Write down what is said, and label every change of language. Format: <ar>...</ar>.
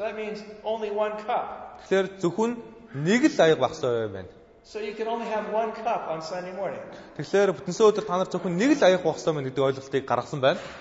<mn>Тэгэхээр зөвхөн нэг л аяг авсан юм байна.</mn> <en>So you can only have one cup on Sunday morning.</en> <mn>Тэгэхээр бүтэн өдөр та нар зөвхөн нэг л аяг авсан юм байна гэдэг ойлголтыг гаргасан байна.</mn>